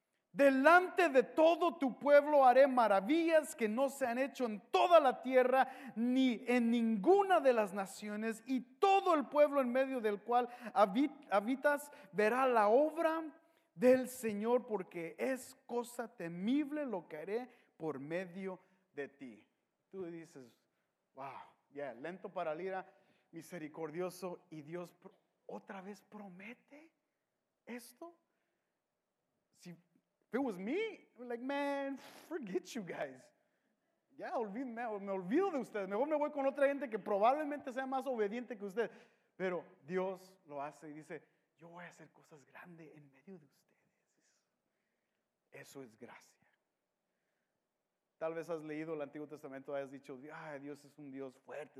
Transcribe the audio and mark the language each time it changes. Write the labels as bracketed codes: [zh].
[es] Delante de todo tu pueblo haré maravillas que no se han hecho en toda la tierra ni en ninguna de las naciones, y todo el pueblo en medio del cual habitas verá la obra del Señor, porque es cosa temible lo que haré por medio de ti. Tú dices, wow, Yeah, lento para la ira, misericordioso, y Dios otra vez promete esto. [en] Si, if it was me, I'm like, man, forget you guys. [es] Ya, me olvido de ustedes. Mejor me voy con otra gente que probablemente sea más obediente que usted. Pero Dios lo hace y dice, yo voy a hacer cosas grandes en medio de ustedes. Eso es gracia. Tal vez has leído el Antiguo Testamento, hayas dicho, ay, Dios es un Dios fuerte.